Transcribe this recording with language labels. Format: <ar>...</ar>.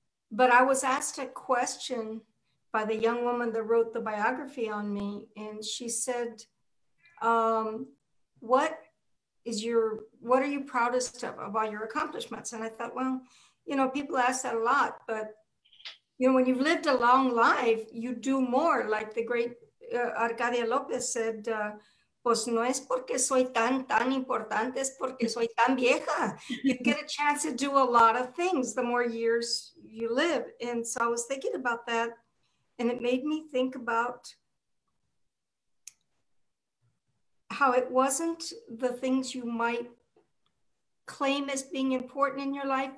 <en>But I was asked a question by the young woman that wrote the biography on me, and she said, what are you proudest of about your accomplishments? And I thought, well, you know, people ask that a lot, but you know, when you've lived a long life, you do more. Like the great Arcadia Lopez said,</en> <es>pues no es porque soy tan importante, es porque soy tan vieja.</es> <en>You get a chance to do a lot of things the more years you live. And so I was thinking about that, and it made me think about how it wasn't the things you might claim as being important in your life.</en>